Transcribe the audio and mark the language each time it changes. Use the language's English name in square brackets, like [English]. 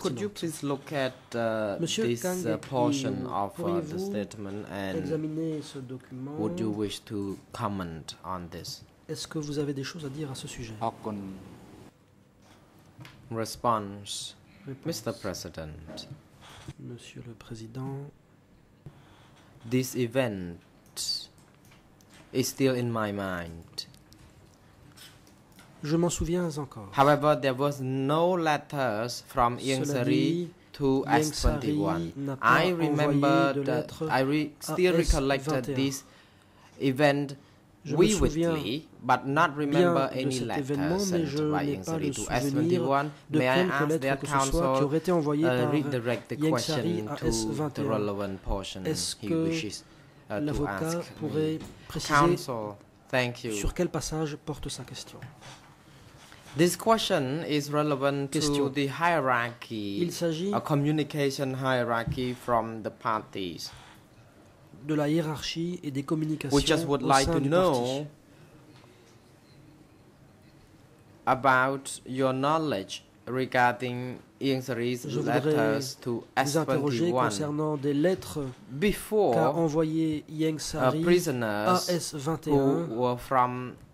[English] Could you please look at this portion of the statement and [French] examiner ce document? [English] Would you wish to comment on this? [French] Est-ce que vous avez des choses à dire à ce sujet? [English] Response. Mr. President. [French] Monsieur le Président. [English] This event is still in my mind. [French] Je m'en souviens encore. [English] However, there was no letters from Yang Sari to Yang S21. I remember that I still recollected this event [French] Je me souviens [English] but not remember [French] bien de cet [English] any [French] événement, mais je n'ai pas le souvenir de quelque lettre que ce soit qui aurait été envoyé par Yang Shari à S21. Est-ce que l'avocat pourrait préciser sur quel passage porte sa question? [English] This question is relevant to the hierarchy, a communication hierarchy from the parties. [French] De la hiérarchie et des communications au sein du parti. [English] About your knowledge regarding Yang Shari's letters to S21. [French] Concernant des lettres qu'a envoyé Yang Shari à S21.